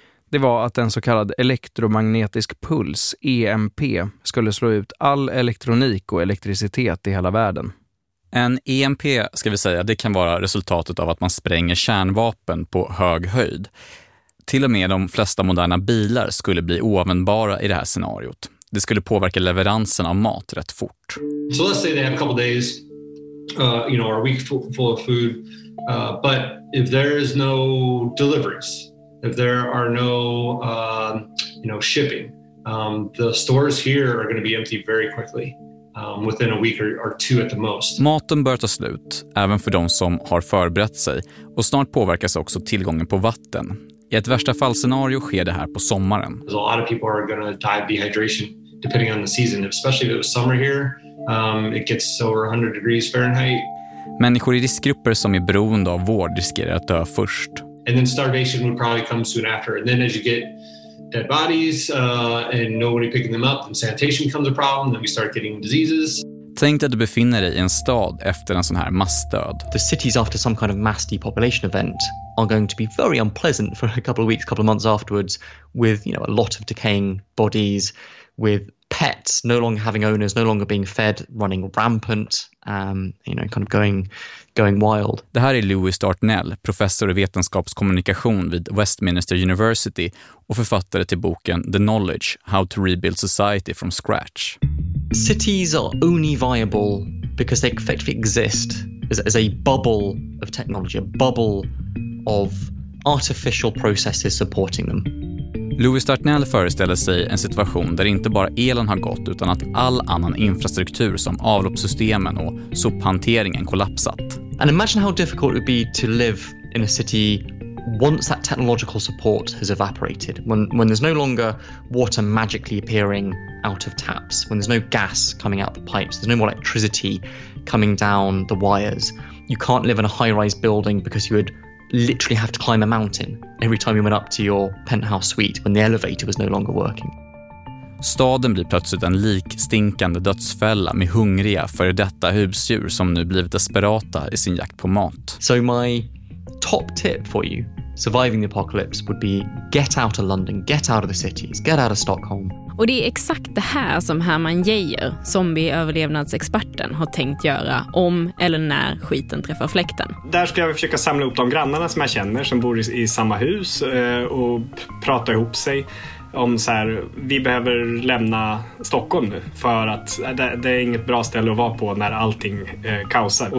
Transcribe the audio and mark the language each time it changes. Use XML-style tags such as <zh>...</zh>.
<sv>Det var att en så kallad elektromagnetisk puls, EMP, skulle slå ut all elektronik och elektricitet i hela världen. En EMP, ska vi säga, det kan vara resultatet av att man spränger kärnvapen på hög höjd. Till och med de flesta moderna bilar skulle bli oanvändbara i det här scenariot. Det skulle påverka leveransen av mat rätt fort.</sv> <en>So let's say they have a couple days, you know, or a week full of food, but if there is no deliveries, if there are no, you know, shipping, the stores here are going to be empty very quickly, within a week or two at the most.</en> <sv>Maten bör ta slut, även för de som har förberett sig, och snart påverkas också tillgången på vatten. I ett värsta fallscenario sker det här på sommaren.</sv> <en>A lot of people are going to die of dehydration depending on the season, especially if it was summer here. It gets over 100 degrees Fahrenheit.</en> <sv>Människor i riskgrupper som är beroende av vård riskerar att dö först.</sv> <en>And then starvation would probably come soon after. And then as you get dead bodies and nobody picking them up, then sanitation becomes a problem, then we start getting diseases.</en> <sv>Tänk att du befinner dig i en stad efter en sån här massdöd.</sv> <en>The cities after some kind of mass depopulation event are going to be very unpleasant for a couple of weeks, couple of months afterwards, with, you know, a lot of decaying bodies, with pets no longer having owners, no longer being fed, running rampant, you know, kind of going wild.</en> <sv>Det här är Louis Dartnell, professor i vetenskapskommunikation vid Westminster University och författare till boken The Knowledge: How to Rebuild Society from Scratch.</sv> <en>Cities are only viable because they effectively exist as a bubble of technology, a bubble of artificial processes supporting them.</en> <sv>Louis Dartnell föreställer sig en situation där inte bara elen har gått utan att all annan infrastruktur som avloppssystemen och sophanteringen kollapsat.</sv> <en>And imagine how difficult it would be to live in a city once that technological support has evaporated, when there's no longer water magically appearing out of taps, when there's no gas coming out the pipes, there's no more electricity coming down the wires. You can't live in a high-rise building because you would literally have to climb a mountain every time you went up to your penthouse suite when the elevator was no longer working.</en> <sv>Staden blir plötsligt en likstinkande dödsfälla med hungriga för detta husdjur som nu blivit desperata i sin jakt på mat.</sv> <en>So my top tip for you surviving the apocalypse would be get out of London, get out of the cities, get out of Stockholm.</en> <sv>Och det är exakt det här som Hermann Geijer, zombieöverlevnadsexperten, har tänkt göra om eller när skiten träffar fläkten. Där ska jag försöka samla ihop de grannarna som jag känner som bor i samma hus och prata ihop sig om så här, vi behöver lämna Stockholm nu för att det är inget bra ställe att vara på när allting kaosar.</sv>